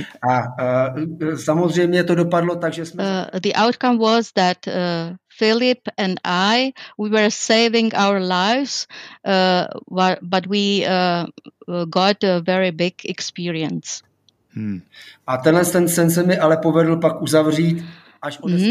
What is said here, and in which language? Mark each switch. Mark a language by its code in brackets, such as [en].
[cs] A samozřejmě to dopadlo tak, že jsme. [en] The outcome was that Philip and I, we were saving our lives, but we got a very big experience. [cs] A tenhle ten sen se mi ale povedl pak uzavřít až od.